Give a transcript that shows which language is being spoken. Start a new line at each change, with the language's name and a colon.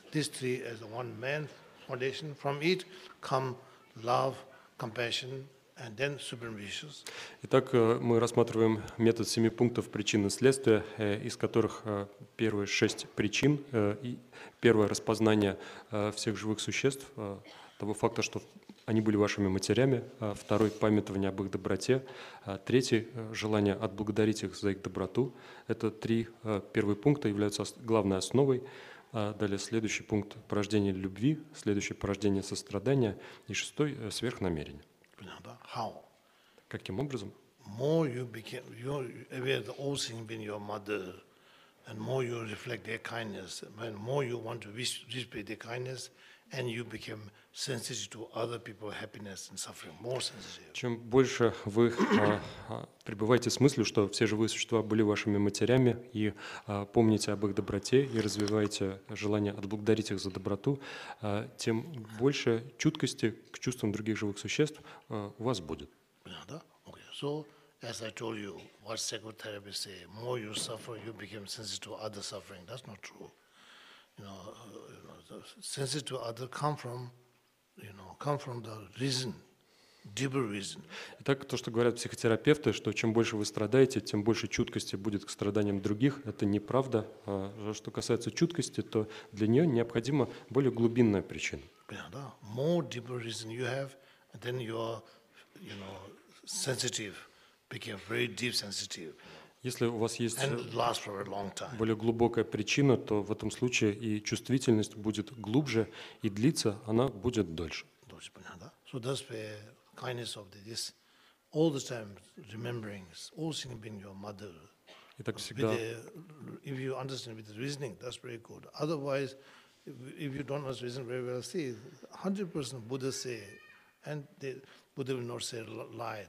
English: These three as the one main foundation. From it come love, compassion, and then supreme wishes.
Russian: Итак, мы рассматриваем метод семи пунктов причин и следствия, из которых первые шесть причин и первое распознание всех живых существ, того факта, что они были вашими матерями, второй – памятование об их доброте, третий – желание отблагодарить их за их доброту. Это три первые пункта являются главной основой. Далее следующий пункт – порождение любви, следующий – порождение сострадания и шестой – сверхнамерение.
English: How?
Russian: Каким образом?
English: More you became, you're aware that all things being your mother, and more you reflect their kindness, and more you want to display their kindness, and you became sensitive to other people's happiness and suffering, more sensitive.
Russian: Чем больше вы пребываете с мыслью, что все живые существа были вашими матерями, и помните об их доброте, и развиваете желание отблагодарить их за доброту, тем больше чуткости к чувствам других живых существ у вас будет.
English: Okay. So, as I told you, what psychotherapists say, more you suffer, you become sensitive to other suffering. That's not true. You know, the sensitive to other come from the reason, deeper reason.
Russian: Итак, то, что говорят психотерапевты, что чем больше вы страдаете, тем больше чуткости будет к страданиям других, это неправда. Что касается чуткости, то для нее необходима более глубинная причина.
English: Yeah,
Russian: да.
English: More deeper reason you have, then you're sensitive, became very deep sensitive.
Russian: Если у вас есть более глубокая причина, то в этом случае и чувствительность будет глубже, и длиться она будет дольше.
English: So that's the kindness of this, all the time remembering, all things being your mother.
Russian: Итак, всегда.
English: If you understand with the reasoning, that's very good. Otherwise, if you don't understand reason very well, see, 100% Buddha say, and the Buddha will not say lie.